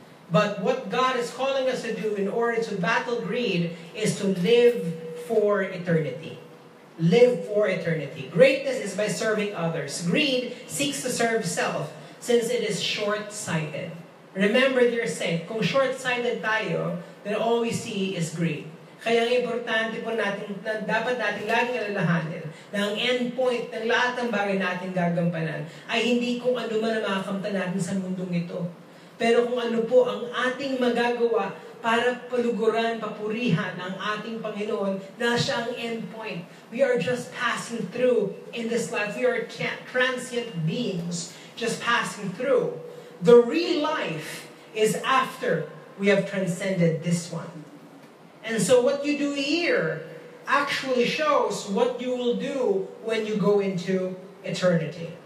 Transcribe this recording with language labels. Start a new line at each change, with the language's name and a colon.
English: But what God is calling us to do in order to battle greed is to live for eternity. Live for eternity. Greatness is by serving others. Greed seeks to serve self since it is short-sighted. Remember, dear saint,
Filipino: kung short-sighted tayo,
English: then all we see is greed.
Filipino: Kaya ang importante po natin, na dapat natin laging alalahanin na ang end point ng lahat ng bagay natin gagampanan ay hindi kung ano man ang makakamta natin sa mundong ito. Pero kung ano po ang ating magagawa para paluguran, papurihan ang ating Panginoon na siya ang end point.
English: We are just passing through in this life. We are transient beings just passing through. The real life is after we have transcended this one. And so what you do here actually shows what you will do when you go into eternity.